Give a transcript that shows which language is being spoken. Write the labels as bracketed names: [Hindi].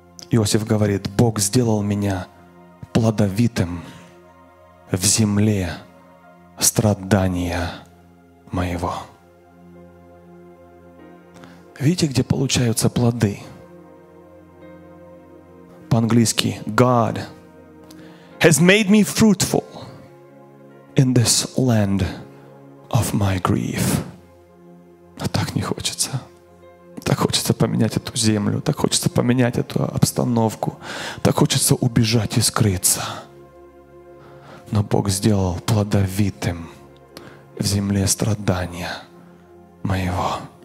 [Russian] Иосиф говорит, Бог сделал меня плодовитым в земле страдания моего. Видите, где получаются плоды? по-английски, [English] God has made me fruitful in this land of my grief. [Russian] Но так не хочется. Так хочется поменять эту землю, так хочется поменять эту обстановку, так хочется убежать и скрыться. Но Бог сделал плодовитым в земле страдания моего.